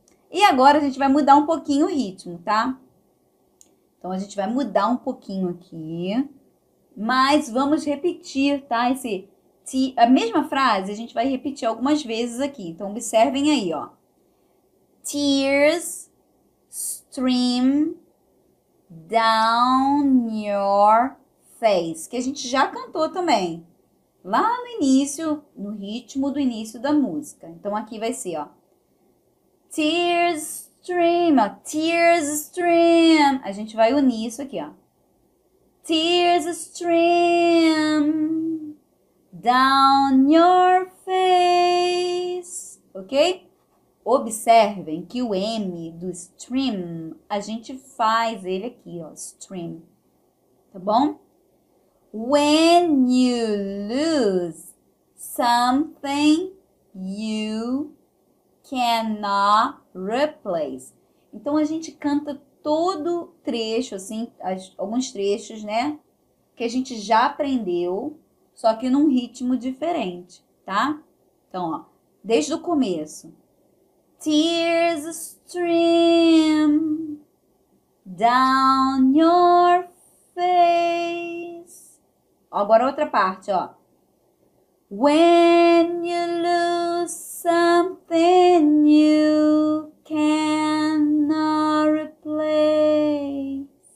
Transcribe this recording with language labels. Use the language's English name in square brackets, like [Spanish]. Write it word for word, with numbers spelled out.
[Portuguese] E agora a gente vai mudar um pouquinho o ritmo, tá? Então a gente vai mudar um pouquinho aqui, mas vamos repetir, tá? Esse... Se a mesma frase a gente vai repetir algumas vezes aqui. Então, observem aí, ó. [English] Tears stream down your face. [Portuguese] Que a gente já cantou também. Lá no início, no ritmo do início da música. Então, aqui vai ser, ó. [English] Tears stream, [Portuguese] ó. [English] Tears stream. [Portuguese] A gente vai unir isso aqui, ó. [English] Tears stream down your face, ok? [Portuguese] Observem que o M do stream, a gente faz ele aqui, ó, stream, tá bom? [English] When you lose something you cannot replace. [Portuguese] Então, a gente canta todo trecho, assim, as, alguns trechos, né? Que a gente já aprendeu. Só que num ritmo diferente, tá? Então, ó, desde o começo. [English] Tears stream down your face. [Portuguese] Ó, agora outra parte, ó. [English] When you lose something you cannot replace.